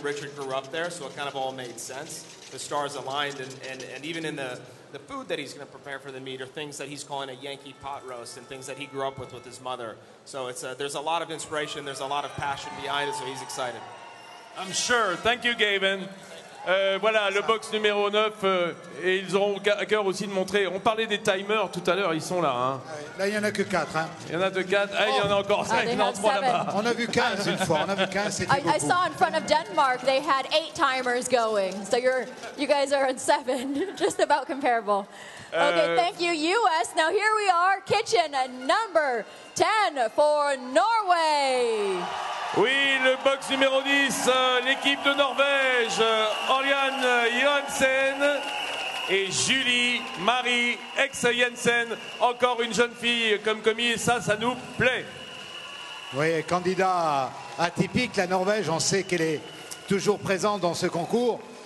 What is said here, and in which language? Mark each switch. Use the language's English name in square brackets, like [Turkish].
[English] Richard grew up there, so it kind of all made sense. The stars aligned, and even in the food that he's going to prepare for the meet are things that he's calling a Yankee pot roast and things that he grew up with his mother. So it's there's a lot of inspiration. There's a lot of passion behind it, so he's excited. I'm sure. Thank you, Gavin. [French] Voilà, le box numéro 9, et ils auront à cœur aussi de montrer. On parlait des timers tout à l'heure, ils sont là. Hein. Là, il n'y en a que 4. Hein. Il y en a que 4. Il y en a encore 5 dans 3 là-bas. On a vu 15 une fois. On a vu 15, c'était beaucoup. [English] I saw in front of Denmark, they had 8 timers going. So you guys are at 7, just about comparable. Okay, thank you, US. Now, here we are, kitchen number 10 for Norway. [French] Oui, le box numéro 10, l'équipe de Norvège, Ørjan Johansen et Julie Marie Ex-Jensen. Encore une jeune fille comme commis, ça nous plaît. Oui, candidat atypique, la Norvège, on sait qu'elle est toujours présente dans ce concours.